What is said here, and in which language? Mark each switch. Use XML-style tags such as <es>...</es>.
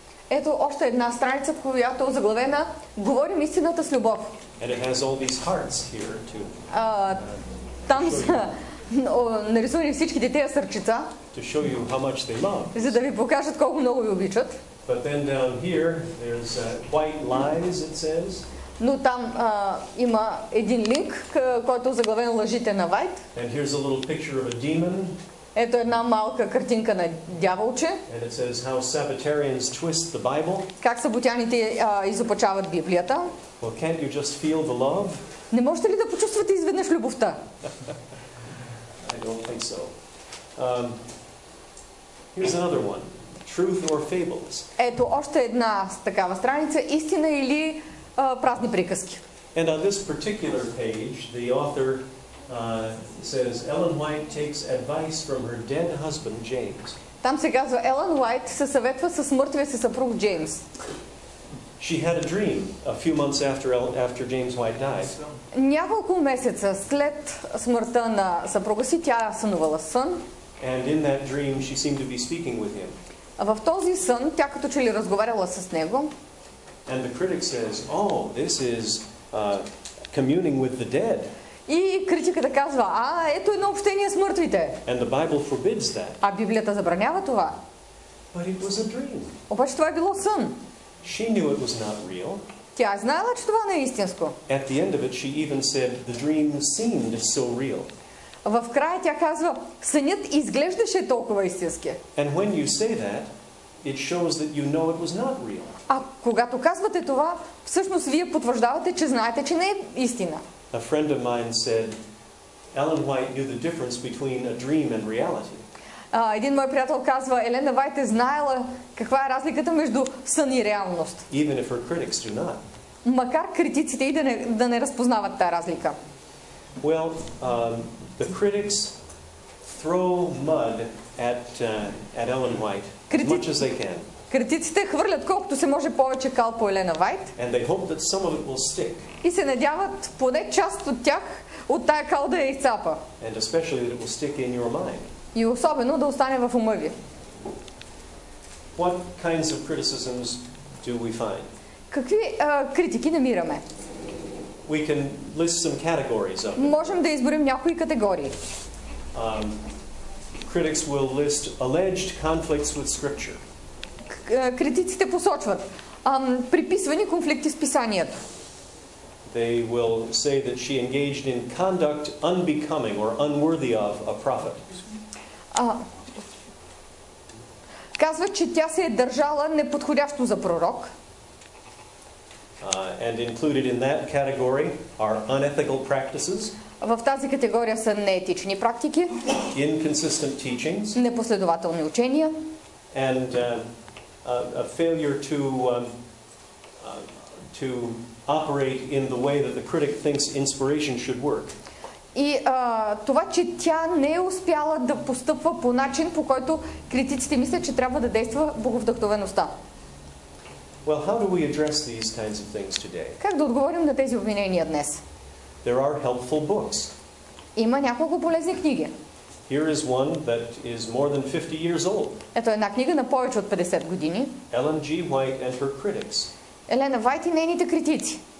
<bg>Ето още една страница, която е озаглавена Говорим истината с любов.</bg> <en>And it has all these hearts here too.</en> <bg>Там са нарисувани всичките тези сърчица.</bg> <en>To show you how much they love.</en> <bg>За да ви покажат колко много ви обичат.</bg> <en>But then down here there's white lies, it says.</en> <bg>Но там има един линк, който е заглавен лъжите на Вайт.</bg> <en>And here's a little picture of a demon.</en> <bg>Ето една малка картинка на дяволче.</bg> <en>And it says how Sabbatarians twist the Bible.</en> <bg>Как саботяните изопачават Библията.</bg> <en>Well, can't you just feel the love?</en> <bg>Не можете ли да почувствате изведнъж любовта?</bg> <en>I don't think so. Here's another one. Truth or fables.</en> <bg>Ето още една такава страница истина или празни приказки.</bg> <en>And on this particular page, the author says Ellen White takes advice from her dead husband James.</en> <bg>Там се казва Елън Уайт се съветва с мъртвия си съпруг Джеймс.</bg> <en>She had a dream a few months after James White died.</en> <bg>Няколко месеца след смъртта на съпруга си тя сънувала сън.</bg> <en>And in that dream she seemed to be speaking with him.</en> <bg>В този сън тя като че ли разговаряла с него.</bg> <en>And the critic says, "Oh, this is communing with the dead."</en> <bg>И критиката казва: "А, ето едно общение с мъртвите."</bg> <en>And the Bible forbids that.</en> <bg>А Библията забранява това.</bg> <en>But it was a dream.</en> <bg>Обаче това е било сън.</bg> <en>She knew it was not real.</en> <bg>Тя знаела, че това не е истинско.</bg> <en>At the end of it, she even said, "The dream seemed so real."</en> <bg>В края тя казва: "Сънят изглеждаше толкова истински."</bg> <en>And when you say that, it shows that you know it was not real.</en> <bg>А когато казвате това, всъщност вие потвърждавате, че знаете, че не е истина.</bg> <en>A friend of mine said, "Ellen White knew the difference between a dream and reality."</en> <bg>Един мой приятел казва, Елена Вайт е знаела каква е разликата между сън и реалност.</bg> <en>Even if her critics do not.</en> <bg>Макар критиците и да не разпознават тая разлика.</bg> <en>Well, the critics throw mud at Ellen White as much as they can.</en> <bg>Критиците хвърлят колкото се може повече кал по Елена Вайт.</bg> <en>And they hope that some of it will stick.</en> <bg>И се надяват поне част от тях от тая кал да я изцапа.</bg> <en>And especially that it will stick in your mind.</en> <bg>И особено да остане в ума ви.</bg> <en>What kinds of criticisms do we find?</en> <bg>Какви критики намираме?</bg> <en>We can list some categories of them.</en> <bg>Можем да изборим някои категории.</bg> <en>Critics will list alleged conflicts with scripture.</en> <bg>Критиците посочват приписвани конфликти с писанието.</bg> <en>They will say that she engaged in conduct unbecoming or unworthy of a prophet.</en> <bg>Казва, че тя се е държала неподходящо за пророк.</bg> <en>And included in that category are unethical practices.</en> <bg>В тази категория са неетични практики.</bg> <en>Inconsistent teachings.</en> <bg>Непоследователни учения.</bg> <en>And a failure to operate in the way that the critic thinks inspiration should work.</en> <bg>И това, че тя не е успяла да постъпва по начин, по който критиците мислят, че трябва да действа боговдъхновеността.</bg> <en>Well, how do we address these kinds of things today?</en> <bg>Как да отговорим на тези обвинения днес?</bg> <en>There are helpful books.</en> <bg>Има няколко полезни книги.</bg> <en>Here is one that is more than 50 years old.</en> <bg>Ето една книга на повече от 50 години.</bg> <en>Ellen G. White and her critics.</en> <bg>Елена Вайт и нейните критици.</bg>